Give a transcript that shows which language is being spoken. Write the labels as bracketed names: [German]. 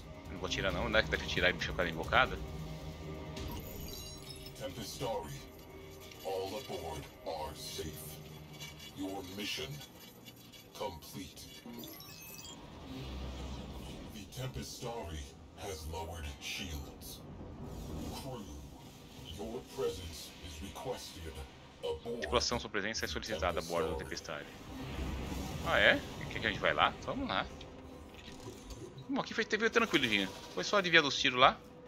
[Portuguese] Não vou atirar não, né? Que deve atirar e deixar o cara invocado. [English] Tempestari, all aboard are safe. Your mission complete. The Tempestari has lowered shields. Crew, your presence is requested. [Portuguese] Tripulação, sua presença é solicitada a bordo da Tempestade. Ah, é? Quer que a gente vai lá? Vamos lá. Bom, aqui foi, teve tranquilinho. Foi só adivinhar dos tiros lá.